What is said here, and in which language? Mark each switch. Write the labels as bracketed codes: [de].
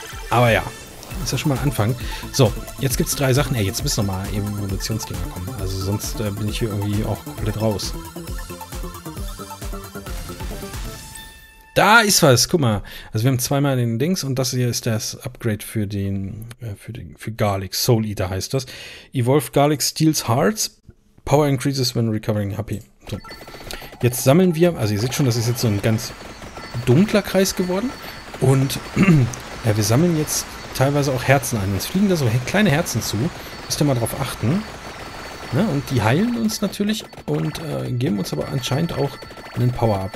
[de] Aber ja, ist ja schon mal ein Anfang. So, jetzt gibt es 3 Sachen. Ey, jetzt müssen nochmal Evolutionsdinger kommen. Also sonst bin ich hier irgendwie auch komplett raus. Da ist was, guck mal. Also wir haben 2-mal den Dings und das hier ist das Upgrade für Garlic. Soul Eater heißt das. [en] Evolve Garlic steals hearts. Power increases when recovering HP. So. [de] Jetzt sammeln wir, also ihr seht schon, das ist jetzt so ein ganz dunkler Kreis geworden. Und ja, wir sammeln jetzt teilweise auch Herzen ein. Uns fliegen da so kleine Herzen zu. Müsst ihr mal drauf achten. Ne? Und die heilen uns natürlich und geben uns aber anscheinend auch einen Power-Up.